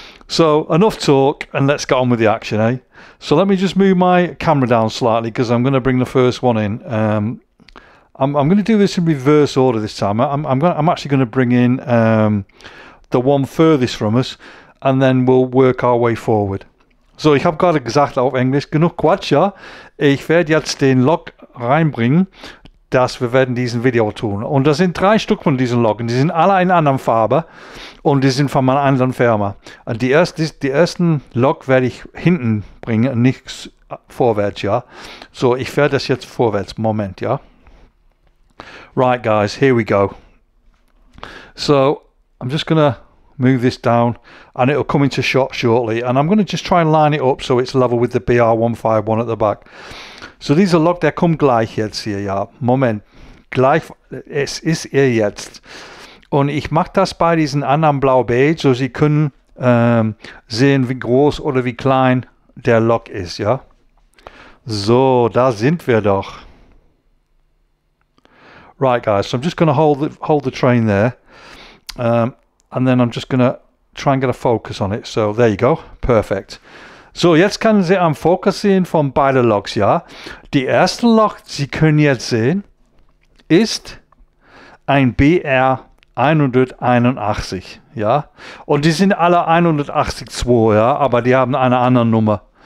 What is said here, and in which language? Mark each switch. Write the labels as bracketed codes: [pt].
[en] So enough talk, and let's get on with the action, eh? So let me just move my camera down slightly because I'm going to bring the first one in. I'm going to do this in reverse order this time. I'm actually going to bring in the one furthest from us, and then we'll work our way forward. [de] So ich habe gerade gesagt auf Englisch, genug Quatsch, ja? Ich werde jetzt den Lok reinbringen, dass wir werden diesen Video tun. Und das sind drei Stück von diesen Loken. Die sind alle in anderen Farbe und die sind von meiner anderen Firma. Und die ersten Lok werde ich hinten bringen, nichts vorwärts, ja? So, ich werde das jetzt vorwärts, Moment, ja? [en] Right, guys, here we go. So, I'm just going to move this down and it'll come into shot shortly, and I'm going to just try and line it up so it's level with the BR151 at the back. So these are locked, they come [de] gleich jetzt hier, ja. Moment, gleich, es ist hier jetzt. Und ich mache das bei diesen anderen Blaubeige, so Sie können sehen, wie groß oder wie klein der Lok ist, ja. So, da sind wir doch. [en] Right, guys, so I'm just going to hold the train there. And then I'm just going to try and get a focus on it. So there you go. Perfect. [de] So jetzt können Sie am Fokussieren von beiden Loks, ja? Die erste Lok, Sie können jetzt sehen, ist ein BR181, ja? Und die sind alle 182, ja? Aber die haben eine andere Nummer.